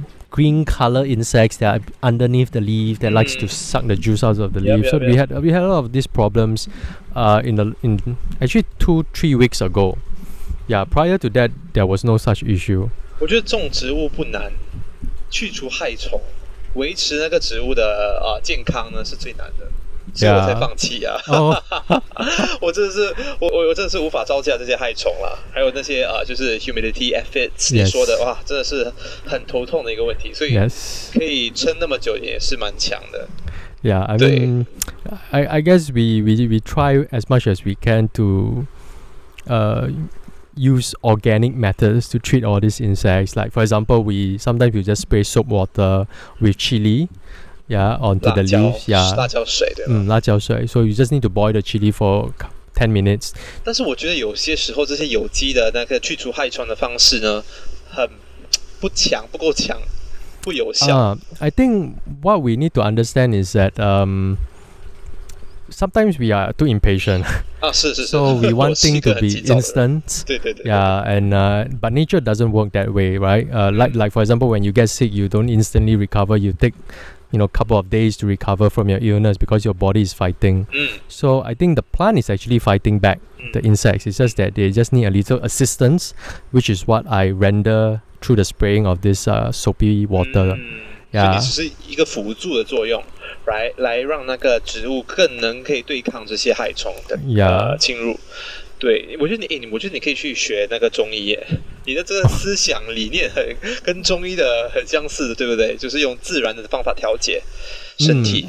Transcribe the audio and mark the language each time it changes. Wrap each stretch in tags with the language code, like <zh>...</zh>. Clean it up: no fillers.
<en>green color insects that are underneath the leaf that likes to suck the juice out of the leaf. We had a lot of these problems in actually 2-3 weeks ago. Yeah, prior to that, there was no such issue.</en> <zh>我觉得种植物不难，去除害虫，维持那个植物的健康呢是最难的，所以我才放弃啊。我真的是无法招架这些害虫啦，还有那些就是</zh> <en>humidity aphids</en> <zh>你说的哇，真的是很头痛的一个问题，所以可以撑那么久也是蛮强的。</zh> <en>Yeah, I mean, I guess we try as much as we can to, use organic methods to treat all these insects. Like for example, we just spray soap water with chili, onto the leaves. Yeah,</en> <zh>辣椒水对吧？辣椒水。</zh> <en>So you just need to boil the chili for 10 minutes.</en> <zh>但是我觉得有些时候这些有机的那个去除害虫的方式呢，很不强，不够强，不有效。</zh> <en>I think what we need to understand is that sometimes we are too impatient. So we want things to be instant. But nature doesn't work that way, right? Like for example, when you get sick, you don't instantly recover. You take, you know, couple of days to recover from your illness because your body is fighting. So I think the plant is actually fighting back the insects. It's just that they just need a little assistance, which is what I render through the spraying of this soapy water.</en> <zh>So 只是一个辅助的作用。来让那个植物更能可以对抗这些害虫的侵入。对，我觉得你可以去学那个中医耶，你的这个思想理念很跟中医的很相似的，对不对？就是用自然的方法调节身体。</zh>